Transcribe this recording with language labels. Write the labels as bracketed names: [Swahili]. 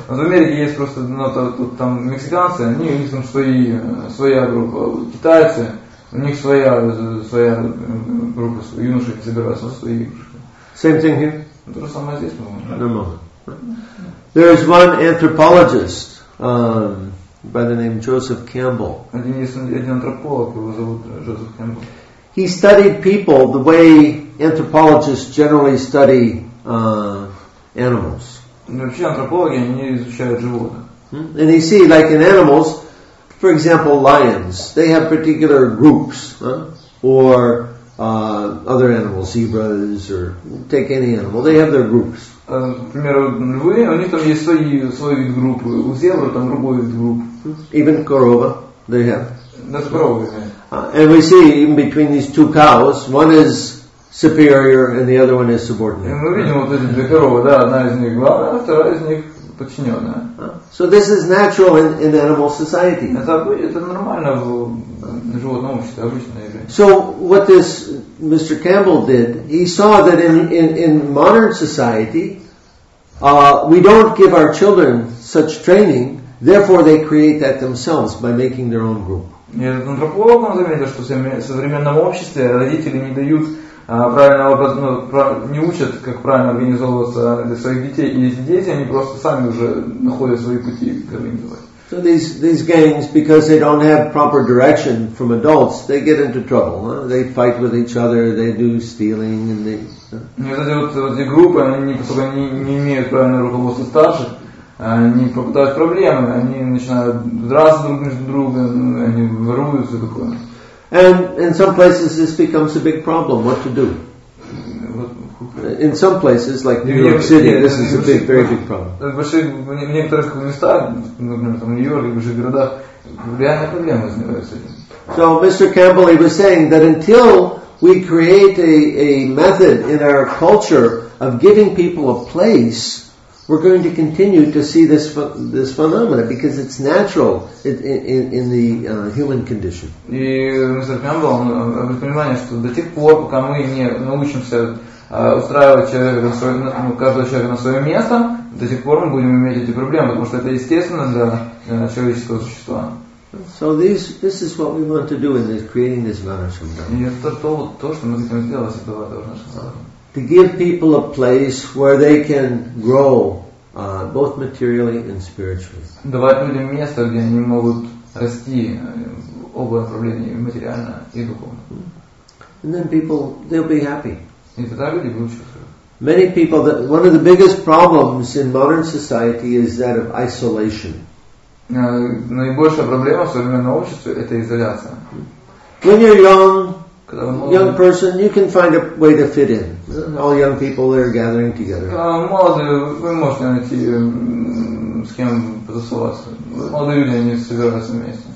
[Russian] В Америке есть просто, ну тут там мексиканцы, они у них там своя группа. Китайцы, у них своя группа, юноши собираются в свои игрушки. [English] Same thing here? [Russian] То же самое здесь, по-моему. [English] No, no. There is one anthropologist by the name Joseph Campbell. [Russian] Один антрополог, его зовут Джозеф Кэмпбелл. [English] He studied people the way anthropologists generally study animals. [Russian] Вообще антропологи, они изучают животных. [English] And you see, like in animals, for example, lions, they have particular groups, or other animals, zebras, or take any animal, they have their groups. [Russian] Например, львы, у них там есть свой вид группы, у зебры там другой вид группы. [English] Even корова, they have. [Russian] Даже корова, да. [English] And we see, even between these two cows, one is superior and the other one is subordinate. [Russian] Мы видим вот эти две коровы, да, одна из них главная, а вторая из них подчиненная. [English] So this is natural in animal society. [Russian] Это нормально в животном обществе, обычно. [English] So what this Mr. Campbell did, he saw that in modern society, we don't give our children such training, therefore they create that themselves by making their own group. [Russian] Этот антрополог заметил, что в современном обществе родители не дают правильного не учат, как правильно организовываться для своих детей, и эти дети они просто сами уже находят свои пути к организовать. [English] So these gangs, because they don't have proper direction from adults, they get into trouble. Huh? They fight with each other. They do stealing, and they. [Russian] Эти группы, они только не имеют правильного руководства старших, они попадают в проблемы, они начинают драться друг между другом, они воруют все такое. [English] And in some places, this becomes a big problem. What to do? In some places, like New York City, this is a big, very big problem. [Russian] В некоторых местах, например, там Нью-Йорк, в больших городах, реальные проблемы возникают с этим. [English] So Mr. Campbell, he was saying that until we create a method in our culture of giving people a place, we're going to continue to see this phenomenon because it's natural in the human condition. [Russian] И Mr. Campbell, он обратил внимание, что до тех пор, пока мы не научимся устраивать человека, каждого человека на свое место, до сих пор мы будем иметь эти проблемы, потому что это естественно для человеческого существа. [English] So this is what we want to do in this creating this Manasamdhamma. [Russian] И это то, что мы хотим сделать, это вот наша задача. [English] To give people a place where they can grow both materially and spiritually. [Russian] Давать людям место, где они могут расти в оба направления, материально и духовно. [English] And then people, they'll be happy. [Russian] И тогда люди будут счастливы. [English] Many people, one of the biggest problems in modern society is that of isolation. [Russian] Наибольшая проблема в современном обществе – это изоляция. [English] When you're young, young person, you can find a way to fit in. All young people are gathering together. [Russian] Молодые, вы можете найти с кем потусоваться. Молодые люди, они собираются вместе.